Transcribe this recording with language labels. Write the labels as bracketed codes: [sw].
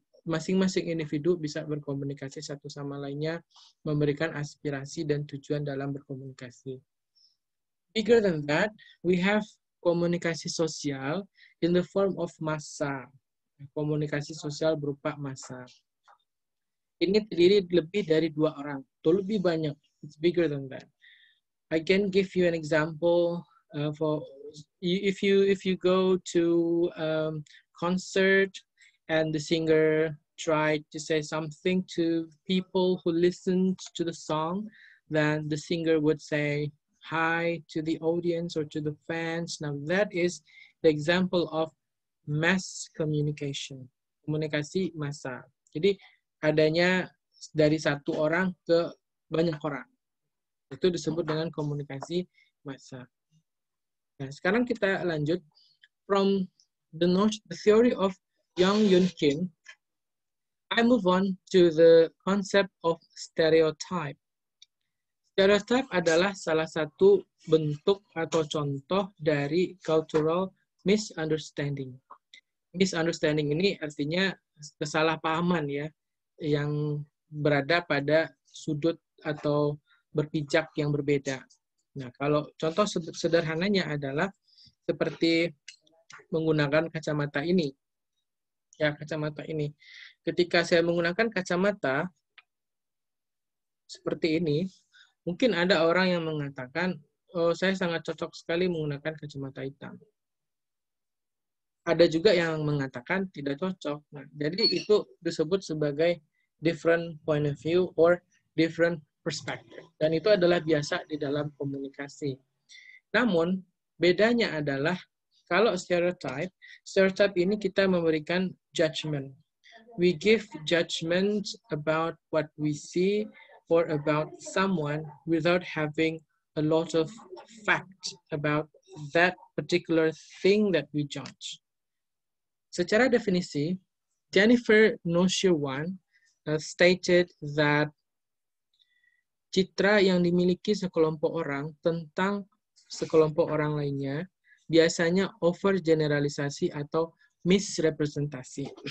[id] masing-masing individu bisa berkomunikasi satu sama lainnya, memberikan aspirasi dan tujuan dalam berkomunikasi. [en] Bigger than that, we have [id] komunikasi sosial [en] in the form of massa. [id] Komunikasi sosial berupa massa. Ini terdiri lebih dari dua orang, atau lebih banyak. [en] It's bigger than that. I can give you an example for if you go to concert and the singer tried to say something to people who listened to the song, then the singer would say hi to the audience or to the fans. Now that is the example of mass communication, [id] komunikasi massa. Jadi adanya dari satu orang ke banyak orang. Itu disebut dengan komunikasi massa. Nah, sekarang kita lanjut [en] from the theory of [id] Yong Yun Kim. [en] I move on to the concept of stereotype. [id] Stereotype adalah salah satu bentuk atau contoh dari cultural misunderstanding. Misunderstanding ini artinya kesalahpahaman ya, yang berada pada sudut atau berpijak yang berbeda. Nah, kalau contoh sederhananya adalah seperti menggunakan kacamata ini. Ya, kacamata ini. Ketika saya menggunakan kacamata seperti ini, mungkin ada orang yang mengatakan, oh, saya sangat cocok sekali menggunakan kacamata hitam. Ada juga yang mengatakan tidak cocok. Nah, jadi itu disebut sebagai [en] different point of view or different perspective. [id] Dan itu adalah biasa di dalam komunikasi. Namun, bedanya adalah kalau stereotype ini kita memberikan judgment. [en] We give judgment about what we see or about someone without having a lot of fact about that particular thing that we judge. [id] Secara definisi, Jennifer Nosheuwan [en] stated that [id] citra yang dimiliki sekelompok orang tentang sekelompok orang lainnya biasanya overgeneralisasi atau misrepresentasi.